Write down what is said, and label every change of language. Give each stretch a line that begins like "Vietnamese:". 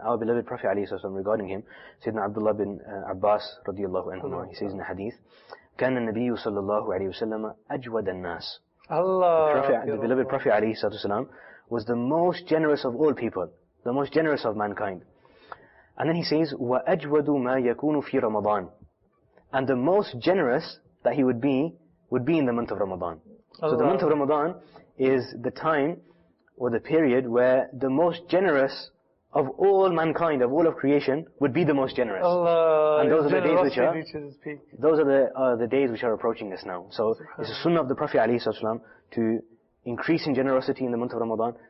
English: Our beloved Prophet alayhi sallam, regarding him, Sayyidina Abdullah bin Abbas radiallahu anhu, he says in the hadith,
Arabic: كان النبي صلى الله عليه وسلم أجود الناس.
English: Allah! The beloved Prophet alayhi sallam was the most generous of all people, the most generous of mankind. And then he says,
Arabic: وَأَجْوَدُ مَا يَكُونُ فِي رَمَضَانِ.
English: And the most generous that he would be in the month of Ramadan. Allah. So the month of Ramadan is the time or the period where the most generous of all mankind, of all of creation, would be the most generous. Allah. And those are the days which are, those are the days which are approaching us now. So it's a sunnah of the Prophet ﷺ to increase in generosity in the month of Ramadan.